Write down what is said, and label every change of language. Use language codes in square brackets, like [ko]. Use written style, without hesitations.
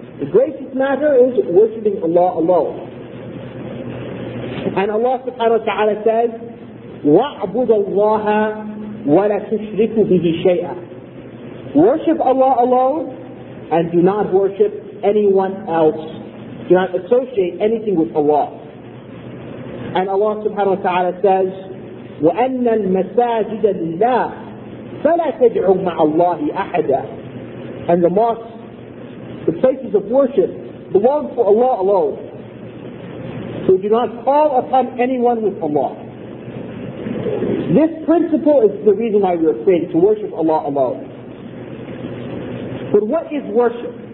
[en] The greatest matter is worshipping Allah alone. And Allah subhanahu wa ta'ala says, [ar] وَعْبُدَ اللَّهَ وَلَا تُشْرِكُ بِهِ شَيْئًا. [en] Worship Allah alone, and do not worship anyone else. Do not associate anything with Allah. And Allah subhanahu wa ta'ala says, [ar] وَأَنَّ الْمَسَاجِدَ لِلَّهِ فَلَا تَجْعُوا مَعَ اللَّهِ أَحَدًا. [en] And the mosques, the places of worship, belong to Allah alone. So do not call upon anyone with Allah. This principle is the reason why we are created, to worship Allah alone. But what is worship?